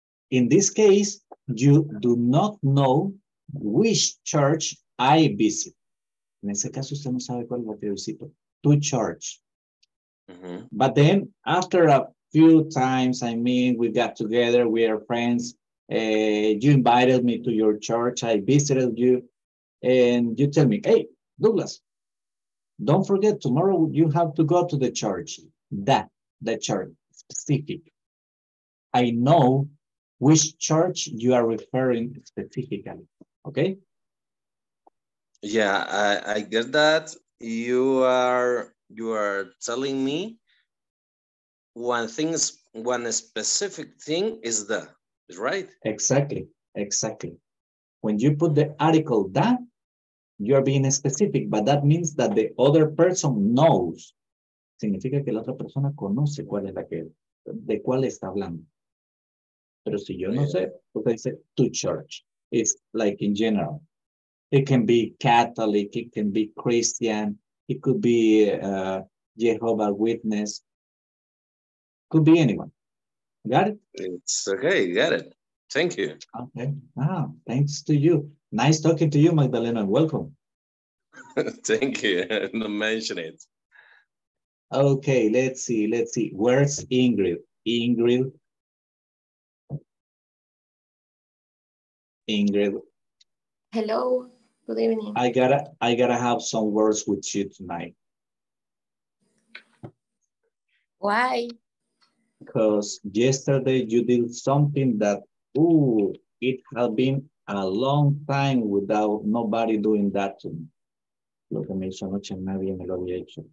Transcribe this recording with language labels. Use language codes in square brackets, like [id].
[en] In this case, you do not know which church I visit. [es] En ese caso, usted no sabe cuál va a visitar. [en] To church. Mm-hmm. But then, after a few times, I mean, we got together, we are friends. You invited me to your church. I visited you. And you tell me, hey, Douglas, don't forget, tomorrow you have to go to the church. The church, specific. I know which church you are referring specifically. Okay? Yeah, I get that. You are telling me one specific thing is the, right? Exactly. When you put the article that, you're being specific, but that means that the other person knows. [es] Significa que la otra persona conoce cuál es la que, de cuál está hablando. Pero si yo no sé, usted dice [en] to church. It's like in general. It can be Catholic, it can be Christian, it could be Jehovah Witness, could be anyone. Got it? It's okay, got it. Thank you. Okay. Ah, thanks to you. Nice talking to you, Magdalena. Welcome. Thank you. Don't mention it. Okay, let's see. Where's Ingrid? Ingrid. Hello. Good evening. I gotta have some words with you tonight. Why? Because yesterday you did something that, it has been a long time without nobody doing that to me. [es] Lo que me hizo anoche nadie me lo había hecho.